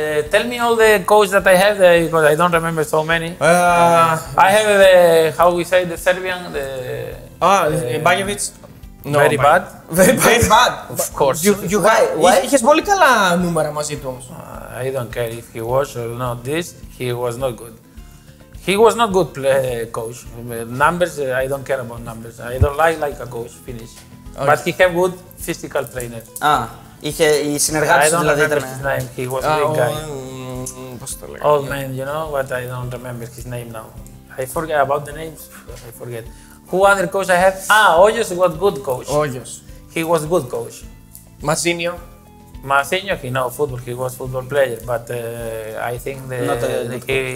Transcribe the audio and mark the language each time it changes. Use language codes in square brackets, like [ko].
[en] Tell me all the coaches that I have, because I don't remember so many. I have the, how we say, the Serbian, the... Bajevic. No, very bad. Very bad. Of course. You why? [el] Είχες πολύ καλά νούμερα μαζί του όμως. [en] I don't care if he was or not this, he was not good. He was not good coach. Numbers, I don't care about numbers. I don't like a coach, finish. Okay. But he had good physical trainer. [el] Είχε οι συνεργάτες του, δηλαδή, ήταν... [en] He was a big guy. [el] Πώς το λέγανε. [en] Old man, you know, but I don't remember his name now. I forget about the names, I forget. Who other coach I have? Όγιος was good coach. Όγιος. He was good coach. Μασίνιο. Μασίνιο, he know football, he was football player, but I think the, not a, the, he coach.